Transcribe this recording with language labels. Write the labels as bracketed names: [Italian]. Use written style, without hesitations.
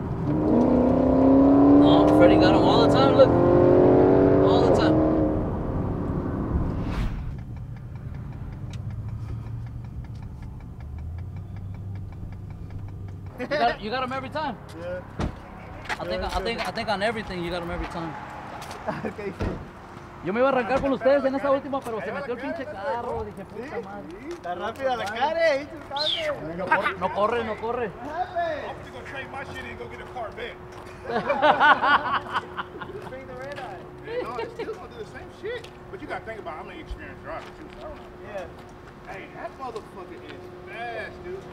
[English] No, Freddy got him all the time, look. All the time. You got him every time? Yeah. I think on everything you got him every time. [Spanish] Yo me iba a arrancar con ustedes en esta última, pero se metió el pinche carro. Dije, puta madre. Está rápida la cara, ahí tu cara. No corre, no corre. [English] I'm gonna train my shit and go get a car back. Train the red eye. No, it's still gonna do the same shit. But you gotta think about, I'm an experienced driver too, so I don't know. Yeah. Hey, that motherfucker is fast, dude.